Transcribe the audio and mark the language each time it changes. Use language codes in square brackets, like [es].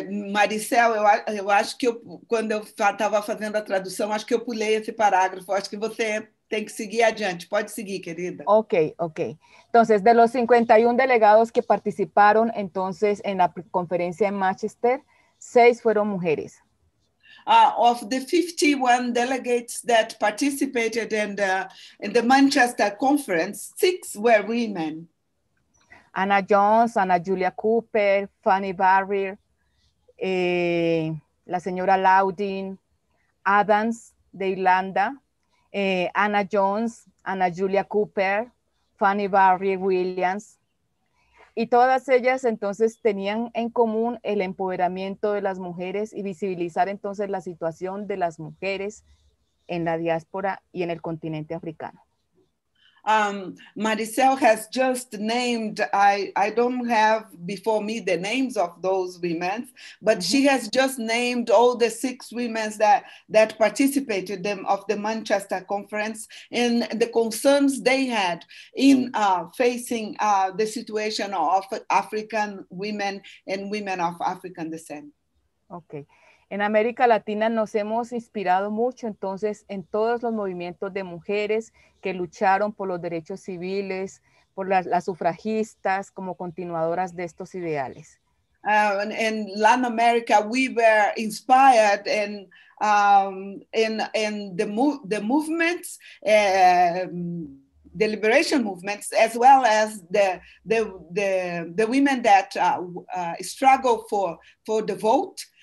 [pt] Maricel, eu acho que eu, quando eu estava fazendo a tradução, acho que eu pulei esse parágrafo. Acho que você tem que seguir adiante. Pode seguir, querida. Ok, ok. Então, [es] de los [pt] 51 delegados que participaram, então, na conferência em Manchester, 6 foram mulheres. [en] Of the 51 delegates that participated in the Manchester conference, 6 were women. [es] Anna Jones, Anna Julia Cooper, Fanny Barrier, la señora Laudin Adams de Irlanda, Anna Jones, Anna Julia Cooper, Fanny Barrier Williams, y todas ellas entonces tenían en común el empoderamiento de las mujeres y visibilizar entonces la situación de las mujeres en la diáspora y en el continente africano. [en] Maricel has just named, I don't have before me the names of those women, but she has just named all the 6 women that participated them of the Manchester conference and the concerns they had in facing the situation of African women and women of African descent. Okay. [es] En América Latina nos hemos inspirado mucho entonces en todos los movimientos de mujeres que lucharon por los derechos civiles, por las sufragistas como continuadoras de estos ideales. [en] In Latin America we were inspired in the movements, the liberation movements, as well as the women that struggled for the vote.